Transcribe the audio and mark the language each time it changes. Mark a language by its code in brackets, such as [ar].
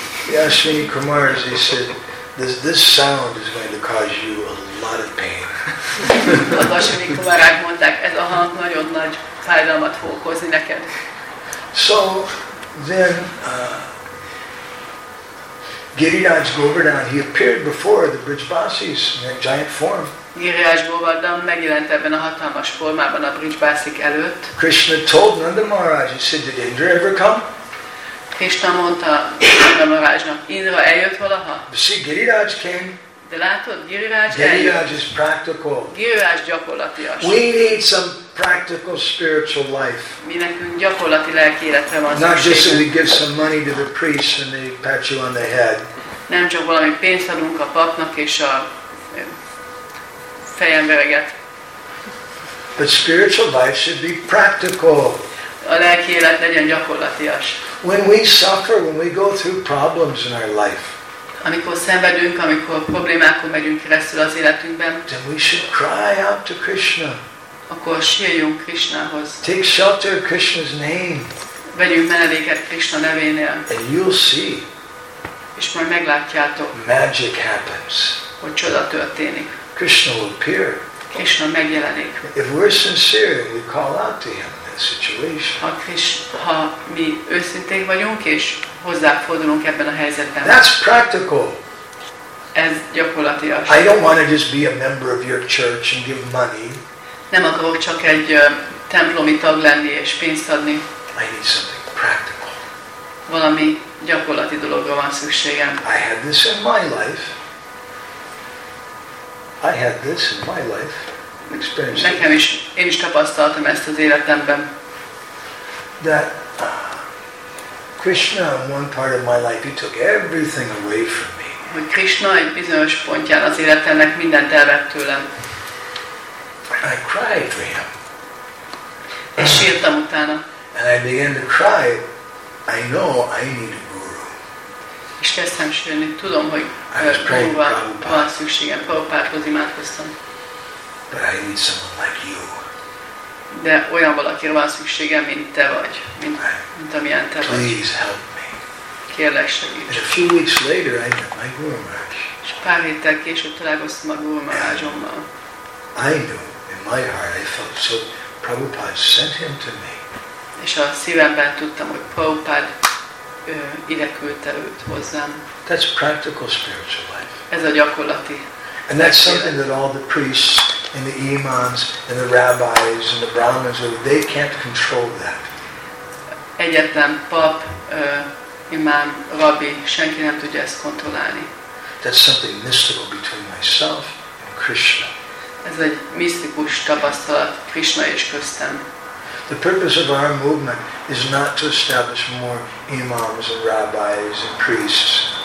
[en] The Ashwini Kumarhoz, he said, this sound is going to cause you a lot of pain. [hu] Az Ashwini Kumarhoz mondták, ez a hang nagyon nagy fájdalmat fog okozni neked. [en] So then Giriraj Govardhan, he appeared before the Brijbasis in that giant form. [hu] Giriraj Govardhan megjelent ebben a hatalmas formában a Brijbasik előtt. [en] Krishna told Nanda Maharaj, he said, did Indra ever come? [hu] Krishna mondta Nanda Maharajnak, Indra eljött valaha? [en] But see, Giriraj came. [hu] De látod, Giriraj eljött. [en] Is practical. [hu] Giriraj gyakorlatias. [en] We need some practical spiritual life. [hu] Mi nekünk gyakorlati lelki életre van szükségünk. [en] Not just that we give some money to the priest and they pat you on the head. [hu] Nem csak valami pénzt adunk a papnak és a fejem vereget. [en] But spiritual life should be practical. [hu] A lelki élet legyen gyakorlatias. [en] When we suffer, when we go through problems in our life. [hu] Amikor szenvedünk, amikor problémákon megyünk keresztül az életünkben. [en] Then we should cry out to Krishna. [hu] Akkor sírjunk Krishnához. [en] Take shelter of Krishna's name. [hu] Vegyünk menedéket Krishna nevénél. [en] And you'll see. [hu] És majd meglátjátok. [en] Magic happens. [hu] Hogy csoda történik. [en] Krishna will appear. [hu] Krishna megjelenik. [en] If we're sincere, we call out to him in that situation. [hu] Ha mi őszinték vagyunk és hozzáfordulunk ebben a helyzetben. [en] That's practical. [hu] Ez gyakorlatilag. [en] I don't want to just be a member of your church and give money. [hu] Nem akarok csak egy templomi tag lenni és pénzt adni. [en] I need something practical. [hu] Valami gyakorlati dologra van szükségem. [en] I had this in my life. I had this in my life. Experience. [hu] Nekem is, én is tapasztaltam ezt az életemben. [en] That Krishna, in one part of my life, he took everything away from me. [hu] Hogy Krishna egy bizonyos pontján az életemnek mindent elvett tőlem. [en] I cried for him. [hu] És sírtam utána. [en] And I began to cry. I know I need a guru. [hu] És kezdtem sírni. Tudom, hogy Prabhupada van szükségem. Prabhupádhoz imádkoztam. [en] But I need someone like you. [hu] De olyan valakire van szükségem, mint te vagy. Mint amilyen te [en] please [hu] vagy. [en] Please help me. [hu] Kérlek, segíts. [en] And a few weeks later I met my Guru Maharaj. [hu] És pár héttel később találkoztam a Guru Maharajommal. [en] I knew in my heart I felt so Prabhupada sent him to me. [hu] És a szívemben tudtam, hogy Prabhupád ide küldte őt hozzám. [en] That's practical spiritual life. [hu] Ez a gyakorlati. [en] And that's something that all the priests and the imams and the rabbis and the brahmins, they can't control that. [hu] Egyetlen pap, imám, rabbi, senki nem tudja ezt kontrollálni. [en] That's something mystical between myself and Krishna. [hu] Ez egy misztikus tapasztalat Krishna és köztem. [en] The purpose of our movement is not to establish more imams and rabbis and priests.